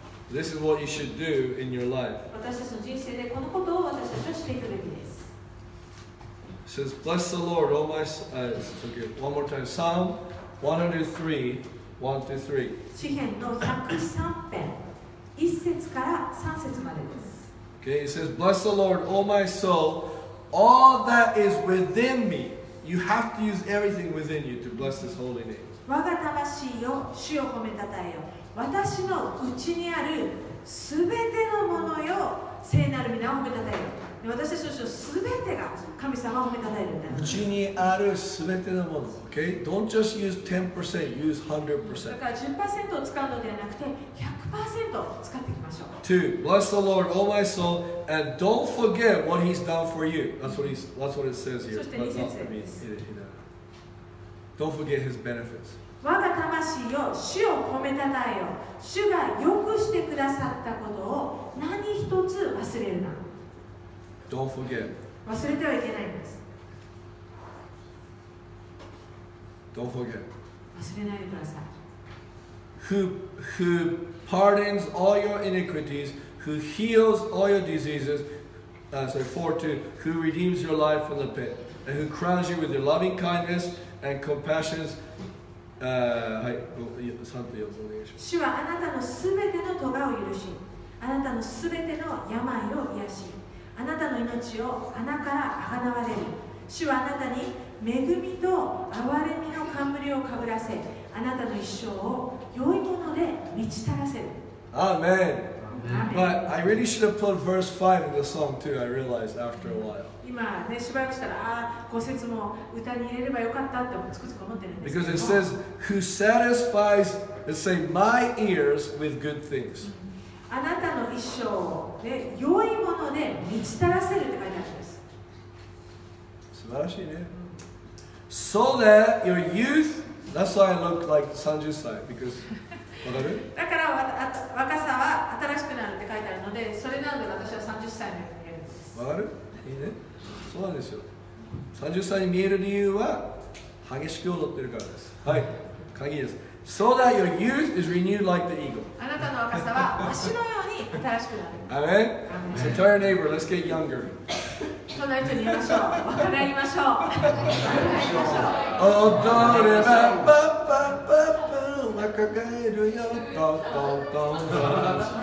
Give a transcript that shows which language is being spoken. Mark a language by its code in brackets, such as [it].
[en] This is what you should do in your life. [ja] 私たちの人生でこのことを私たちはしていくべきです。 [en] It says, Bless the Lord, O my soul. This is okay. One more time. Psalm 103:1-3. Okay, it says, Bless the Lord, O my soul. All that is within me. You have to use everything within you to bless this holy name. [ja] 我が魂よ、主を褒めたたえよ。私の内にあるすべてのものよ、聖なる皆を褒めたたえよ。私たちの全てが神様を褒めたたえるんだ。うちにある全てのもの。OK? [en] Don't just use 10%, use 100%. [ja] だから 10% を使うのではなくて 100% 使っていきましょう。 [en] 2. Bless the Lord, O my soul, and don't forget what he's done for you. That's what it says here. [ja] そして2節です。 [en] Don't forget his benefits. [ja] 我が魂よ、主を褒めたたえよ。主が良くしてくださったことを何一つ忘れるな。 [en] Don't forget. [ja] 忘れてはいけないんです。 [en] Don't forget. [ja] 忘れないでください。 [en] Who pardons all your iniquities, who heals all your diseases, four, two, who redeems your life from the pit, and who crowns you with your loving kindness and compassion. [ja] 主はあなたのすべての咎を許し、あなたのすべての病を癒し、あなたの命を穴からあがなわれる。主はあなたに恵みと憐れみの冠をかぶらせ、あなたの一生を良いもので満ち足らせる。 [en] Amen. But I really should have put verse 5 in the song too, I realized after a while. [ja] 今、ね、しばらくしたら、ああ、五節も歌に入れればよかったってつくつく思ってるんですけど。 [en] Because it says, who satisfies, let's say, my ears with good things. [ja] あなたの一生を、ね、良いもので満ち足らせるって書いてあるんです。素晴らしいね。 [en] So that your youth, that's why I look like [ja] 30 歳, [en] because, [ja] わかる？だから若さは新しくなるって書いてあるので、それなので私は30歳に見えるんです。わかる？いいね。そうなんですよ。 30歳に見える理由は、激しく踊ってるからです。はい、鍵です。 [en] So that your youth is renewed like the eagle. [ja] あなたの若さは足のように新しくなる。 [en] アメン。So tell your neighbor, let's get younger. [ja] そんな人に言いましょう。若返りましょう。若返りましょう。踊れば、パッパッパッパッ、若返るよ、トントントン。